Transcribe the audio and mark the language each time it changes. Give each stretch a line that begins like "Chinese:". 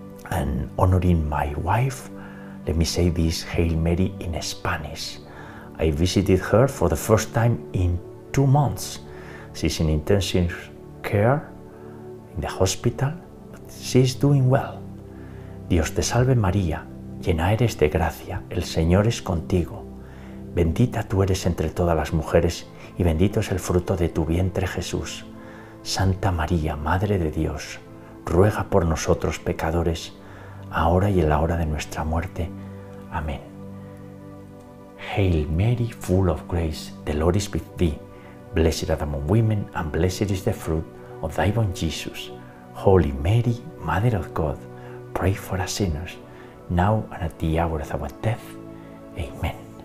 English: And honoring my wife, let me say this Hail Mary in Spanish. I visited her for the first time in 2 months. She's in intensive care in the hospital, but she's doing well.
Spanish: Dios te salve María, llena eres de gracia, el Señor es contigo. Bendita tú eres entre todas las mujeres y bendito es el fruto de tu vientre Jesús. Santa María, Madre de Dios, ruega por nosotros pecadores, ahora y en la hora de nuestra muerte. Amén.
English: Hail Mary, full of grace, the Lord is with thee. Blessed art thou among women, and blessed is the fruit of thy womb, Jesus. Holy Mary, Mother of God, pray for us sinners, now and at the hour of our death. Amen.